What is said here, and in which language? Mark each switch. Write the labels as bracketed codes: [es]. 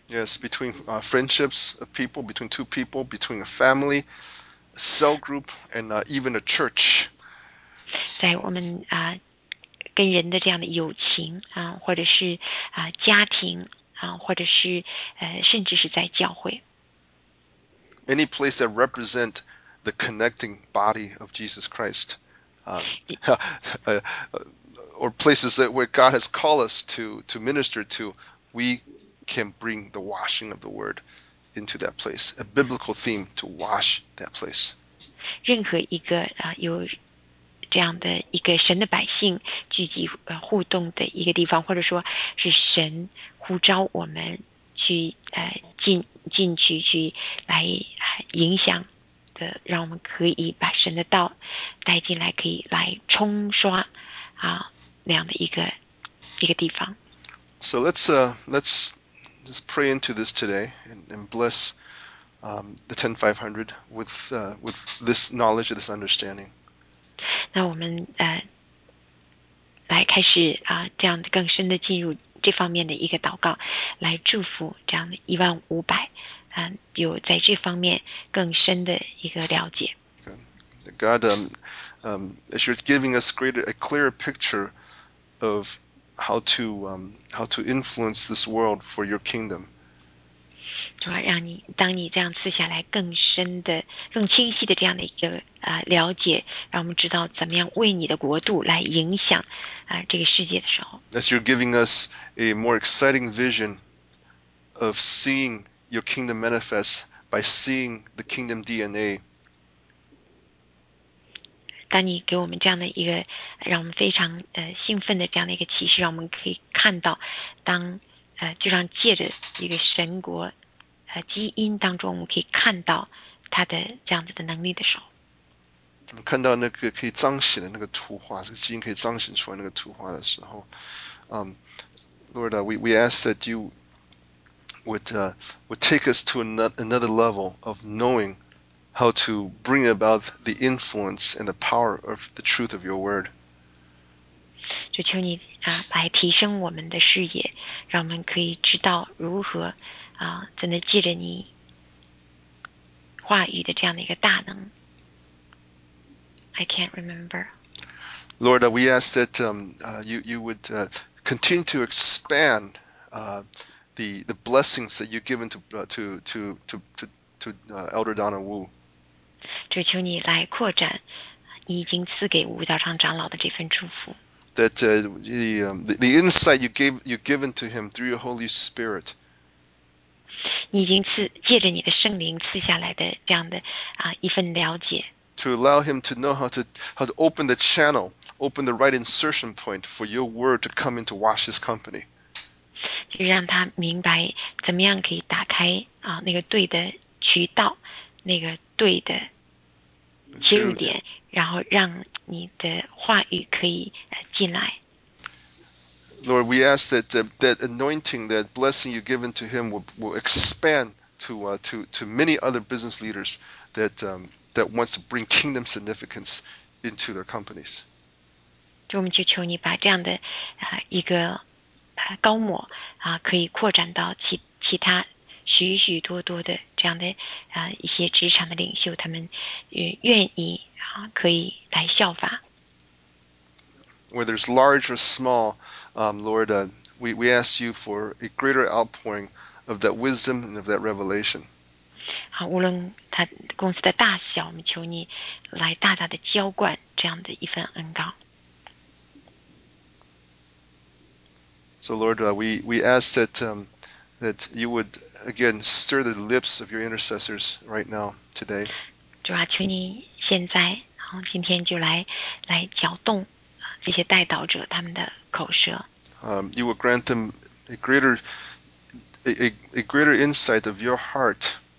[en] Yes, between friendships of people, between two people, between a family, a cell group, and even a church. [zh] 在我们跟人的这样的友情或者是家庭或者是甚至是在教会。 [en] Any place that represent the connecting body of Jesus Christ, or places that where God has called us to minister to, we can bring the washing of the word into that place. A biblical theme to wash that place. [zh] 任何一个有这样的一个神的百姓聚集互动的一个地方，或者说是神呼召我们去进去去来影响的，让我们可以把神的道带进来，可以来冲刷那样的一个地方。 [en] So let's just pray into this today and bless the 10500 with this knowledge, this understanding. [zh] 那我们来开始这样更深的进入这方面的一个祷告，来祝福这样的1500有在这方面更深的一个了解。 [en] Okay. God, as you're giving us a clearer picture of how to influence this world for your kingdom. [zh] 主要让你当你这样赐下来更深的、更清晰的这样的一个了解，让我们知道怎么样为你的国度来影响这个世界的时候。 [en] As you're giving us a more exciting vision of seeing your kingdom manifest by seeing the kingdom DNA. [zh] 当你给我们这样的一个让我们非常兴奋的这样的一个启示，让我们可以看到当就像借着一个神国基因当中，我们可以看到它的这样子的能力的时候，我们看到那个可以彰显的那个图画，这个基因可以彰显出来那个图画的时候， [en] Lord, we ask that you would take us to another level of knowing how to bring about the influence and the power of the truth of your word. [zh] 就求你来提升我们的视野，让我们可以知道如何真的借着你话语的这样的一个大能。 [en] I can't remember. Lord, we ask that you would continue to expand the blessings that you've given to Elder Donna Wu. [zh] 主，求你来扩展你已经赐给吴道昌长老的这份祝福。 [en] That the insight you've given to him through your Holy Spirit. [zh] 你已经借着你的圣灵赐下来的这样的一份了解。 [en] To allow him to know how to open the channel, open the right insertion point for your word to come into wash his company. [zh] 就让他明白怎么样可以打开那个对的渠道，那个对的切入点，然后让你的话语可以进来。 [en] Lord, we ask that that anointing, that blessing you've given to him will expand to many other business leaders that. That wants to bring kingdom significance into their companies. [zh] 就我们就求你把这样的一个高模可以扩展到其他许许多多的这样的一些职场的领袖，他们愿意可以来效法。 [en] Whether it's large or small, Lord, we ask you for a greater outpouring of that wisdom and of that revelation. [zh] 好，无论他公司的大小，我们求你来大大的浇灌这样的一份恩膏。 [en] So Lord, we ask that that you would again stir the lips of your intercessors right now today. [zh] 主啊，求你现在，好，今天就来搅动这些代祷者他们的口舌。 [en] You will grant them a greater insight of your heart.